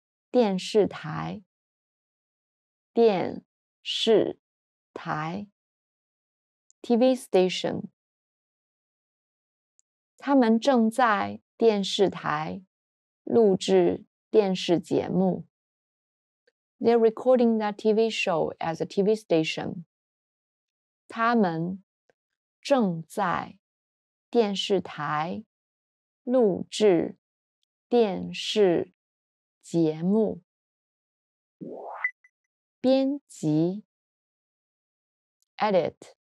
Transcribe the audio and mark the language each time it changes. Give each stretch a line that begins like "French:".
Chinese: 电视台电视台
English: TV station
Chinese: 他们正在电视台录制电视节目
English: They're recording that TV show as a TV station
Chinese: 他们正在电视台录制电视节目编辑
English: edit